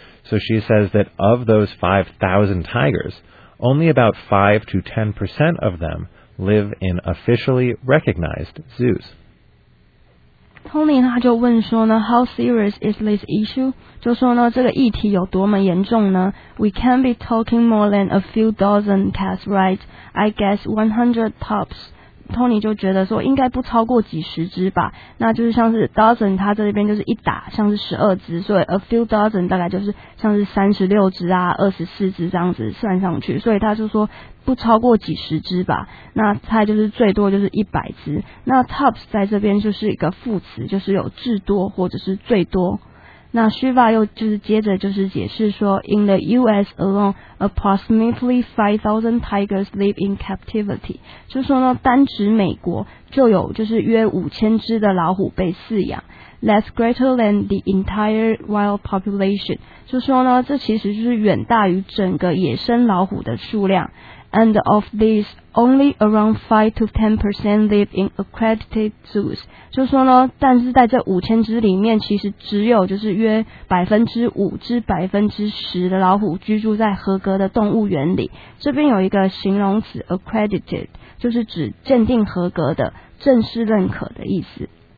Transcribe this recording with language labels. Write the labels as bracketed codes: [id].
[en] So she says that of those 5,000 tigers, only about 5 to 10% of them live in officially recognized zoos. [zh] Tony 他就问说呢 ， [en] How serious is this issue？ [zh] 就说呢，这个议题有多么严重呢 [en] ？We can't be talking more than a few dozen cats, right？ I guess 100 tops。 [zh] Tony 就觉得说，应该不超过几十只吧。那就是像是 dozen， 他这边就是一打，像是12只，所以 a few dozen 大概就是像是36只啊，24只这样子算上去，所以他就说。不超过几十只吧，那它就是最多就是100只。那 tops 在这边就是一个副词，就是有至多或者是最多。那 Shiva 又就是接着就是解释说 ， [en] In the U.S. alone, approximately 5,000 tigers live in captivity。 [zh] 就说呢，单指美国就有就是约5000只的老虎被饲养。 [en] That's greater than the entire wild population。 [zh] 就说呢，这其实就是远大于整个野生老虎的数量。 [en] And of these, only around 5 to 10% live in accredited zoos. [zh] 就说呢，但是在这5000只里面，其实只有就是约5%至10%的老虎居住在合格的动物园里。这边有一个形容词 accredited， 就是指鉴定合格的、正式认可的意思。